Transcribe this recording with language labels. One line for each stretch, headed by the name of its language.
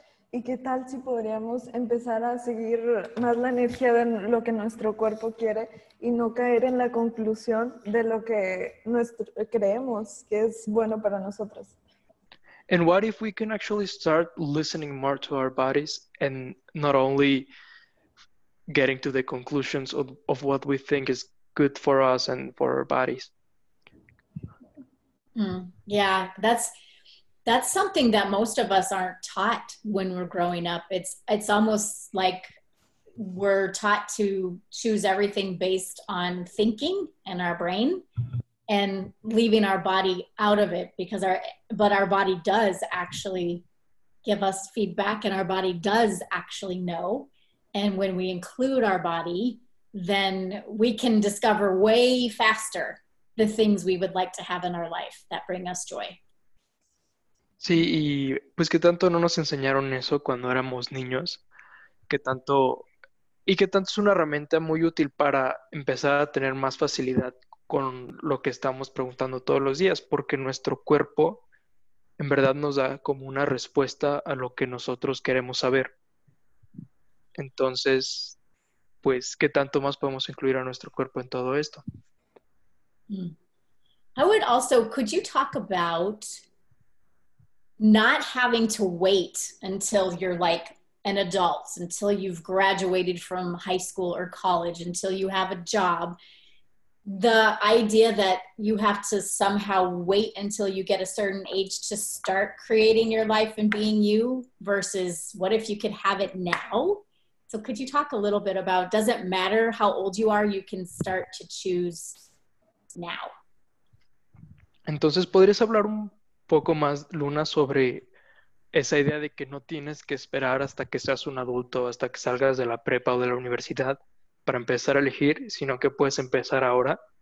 Spanish: ¿Y qué tal si podríamos empezar a seguir más la energía de lo que nuestro cuerpo quiere y no caer en la conclusión de lo que creemos que es bueno para nosotros?
English: And what if we can actually start listening more to our bodies and not only getting to the conclusions of what we think is good for us and for our bodies? Yeah, that's something that most of us aren't taught when we're growing up. It's almost like we're taught to choose everything based on thinking and our brain and leaving our body out of it, but our body does actually give us feedback and our body does actually know. And when we include our body, then we can discover way faster the things we would like to have in our life that bring us joy.
Spanish: Sí, y pues que tanto no nos enseñaron eso cuando éramos niños, que tanto es una herramienta muy útil para empezar a tener más facilidad con lo que estamos preguntando todos los días, porque nuestro cuerpo en verdad nos da como una respuesta a lo que nosotros queremos saber. Entonces, pues, ¿qué tanto más podemos incluir a nuestro cuerpo en todo esto?
English: I would also, could you talk about not having to wait until you're like an adult, until you've graduated from high school or college, until you have a job? The idea that you have to somehow wait until you get a certain age to start creating your life and being you versus what if you could have it now? So could you talk a little bit about, does it matter how old you are? You can start to choose now.
Spanish: Entonces, ¿podrías hablar un poco más, Luna, sobre esa idea de que no tienes que esperar hasta que seas un adulto, hasta que salgas de la prepa o de la universidad para empezar a elegir, sino que puedes empezar ahora?